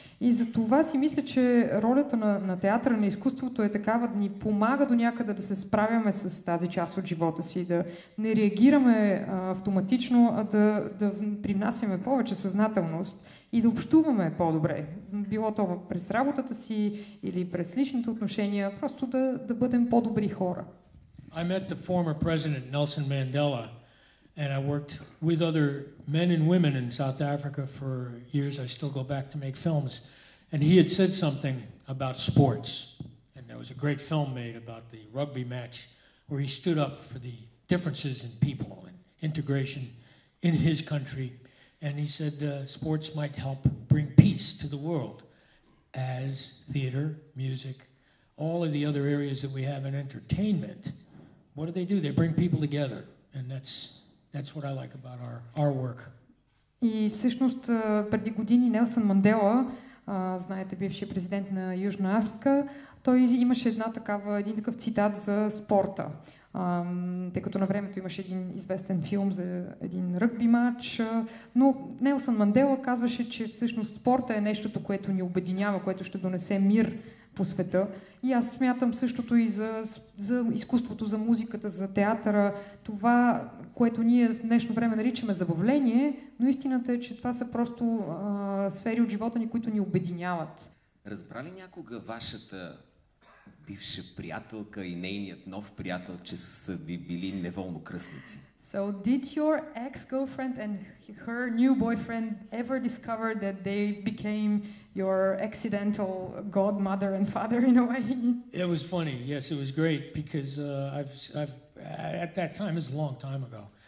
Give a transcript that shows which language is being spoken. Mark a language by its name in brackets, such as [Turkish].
[Bulgarian] И за това си мисля, че ролята на театъра, на изкуството е такава да ни помага до някъде да се справяме с тази част от живота си, да не реагираме автоматично, а да привнасяме повече съзнателност и да общуваме по-добре. Било то през работата си или през личните отношения, просто да бъдем по-добри хора. [English] I met the former president Nelson Mandela. And I worked with other men and women in South Africa for years. I still go back to make films. And he had said something about sports. And there was a great film made about the rugby match where he stood up for the differences in people and integration in his country. And he said sports might help bring peace to the world as theater, music, all of the other areas that we have in entertainment. What do? They bring people together. And that's what I like about our work. [Bulgarian] И всъщност преди години Нелсън Мандела, знаете, бивши президент на Южна Африка, той имаше един такъв цитат за спорта. Тъй като на времето имаше един известен филм за един ръгби матч, но Нелсън Мандела казваше, че всъщност спорта е нещото, което ни обединява, което ще донесе мир по света. И аз смятам същото и за изкуството, за музиката, за театъра. Това, което ние в днешно време наричаме забавление, но истината е, че това са просто сфери от живота ни, които ни обединяват. Разбра ли някога вашата бивша приятелка и нейният нов приятел, че са ви били неволно кръстници? [English] So did your ex-girlfriend and her new boyfriend ever discover that they became your accidental godmother and father in a way? It was funny. Yes, it was great because I've at that time, it was a long time ago.